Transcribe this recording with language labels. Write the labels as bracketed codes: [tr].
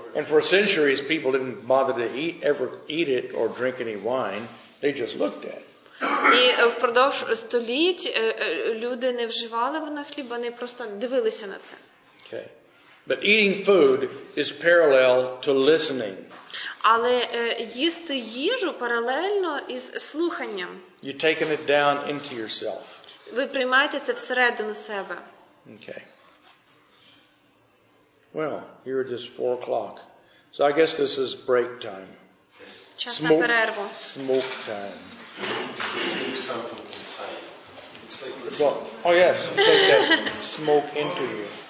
[en] And for centuries people didn't bother to eat it or drink any wine. They just looked at it. [uk] І впродовж століть люди не вживали вони хліб, вони просто дивилися на це. [en] Okay. But eating food is parallel to listening. [uk] Але їсти їжу паралельно із слуханням. [en] You're taking it down into yourself. [uk] Ви приймаєте це всередину себе. [en] Okay. Well, here it is 4 o'clock. So I guess this is break time. [uk] Час на перерву. [en] Smoke time. Something inside. It's like oh yes, take that smoke into you.